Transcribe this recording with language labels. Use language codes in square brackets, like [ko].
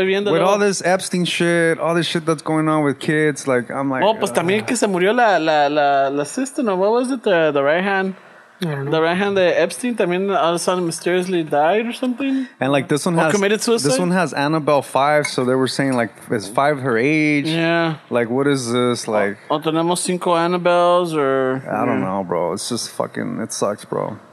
[en] with all this Epstein shit, all this shit that's going on with kids, like I'm like. [es] Oh, pues también que se murió la sister, [en] or what was it? The right hand. The right hand of Epstein, I mean, all of a sudden mysteriously died or something. And like this one has committed suicide. This one has Annabelle 5, so they were saying like is 5 her age? Yeah. Like what is this like? [es] Oh, tenemos 5 Annabelles or [en] I don't know, bro. It's just fucking it sucks, bro.